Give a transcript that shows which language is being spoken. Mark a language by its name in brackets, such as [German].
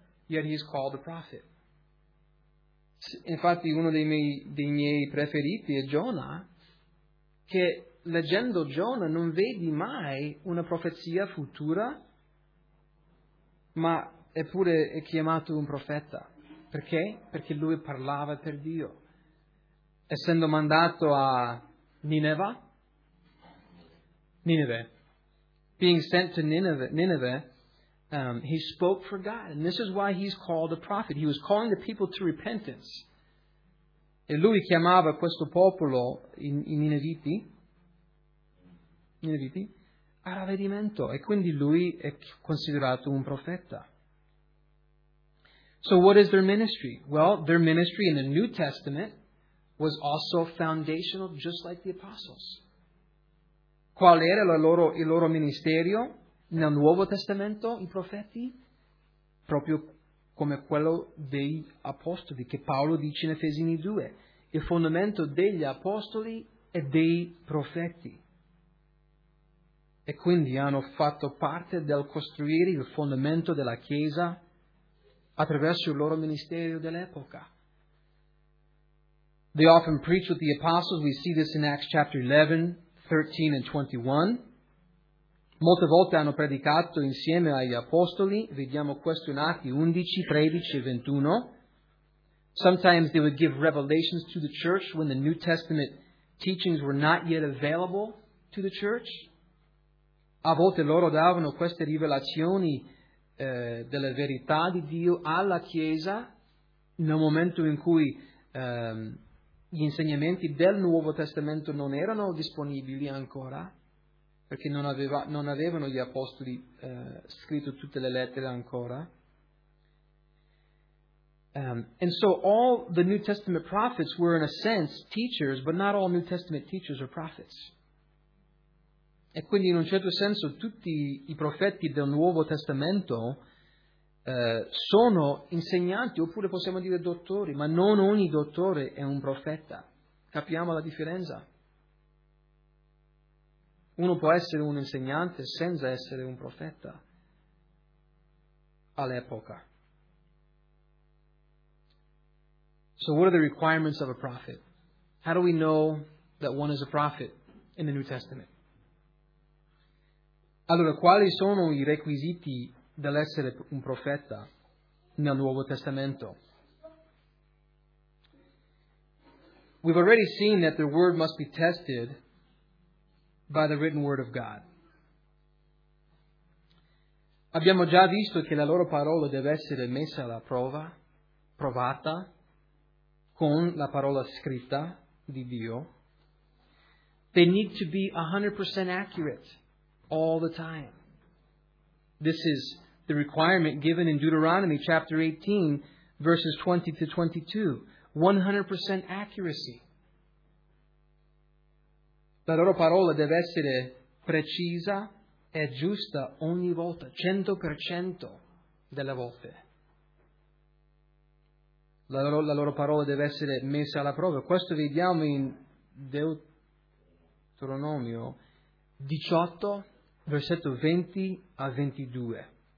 [English] Yet he's called a prophet. [Italian] Infatti, uno dei miei preferiti è Jonah, che leggendo Jonah non vedi mai una profezia futura, ma eppure è chiamato un profeta. Perché? Perché lui parlava per Dio. Essendo mandato a Nineveh, [English] being sent to Nineveh, he spoke for God. And this is why he's called a prophet. He was calling the people to repentance. [Italian] E lui chiamava questo popolo, i Nineviti, a ravvedimento. E quindi lui è considerato un profeta. [English] So what is their ministry? Well, their ministry in the New Testament was also foundational, just like the apostles. [Italian] Qual era il loro ministerio nel Nuovo Testamento, i profeti? Proprio come quello dei apostoli, che Paolo dice in Efesini 2. Il fondamento degli apostoli e dei profeti. E quindi hanno fatto parte del costruire il fondamento della Chiesa attraverso il loro ministerio dell'epoca. [English] They often preach with the apostles. We see this in Acts chapter 11, 13 and 21. [Italian] Molte volte hanno predicato insieme agli apostoli. Vediamo questo in Atti 11, 13 e 21. [English] Sometimes they would give revelations to the church when the New Testament teachings were not yet available to the church. [Italian] A volte loro davano queste rivelazioni della verità di Dio alla Chiesa nel momento in cui gli insegnamenti del Nuovo Testamento non erano disponibili ancora, perché non avevano gli apostoli scritto tutte le lettere ancora. [English] And so all the New Testament prophets were in a sense teachers, but not all New Testament teachers are prophets. [Italian] E quindi in un certo senso tutti i profeti del Nuovo Testamento sono insegnanti, oppure possiamo dire dottori, ma non ogni dottore è un profeta. Capiamo la differenza? Uno può essere un insegnante senza essere un profeta all'epoca. [English] So what are the requirements of a prophet? How do we know that one is a prophet in the New Testament? [Italian] Allora, quali sono i requisiti dell'essere un profeta nel Nuovo Testamento? [English] We've already seen that their word must be tested by the written word of God. [Italian] Abbiamo già visto che la loro parola deve essere messa alla prova, provata, con la parola scritta di Dio. [English] They need to be 100% accurate all the time. This is the requirement given in Deuteronomy chapter 18, verses 20 to 22. 100% accuracy. [Italian] La loro parola deve essere precisa e giusta ogni volta, 100% delle volte. La loro parola deve essere messa alla prova. Questo vediamo in Deuteronomio 18, versetto 20 a 22.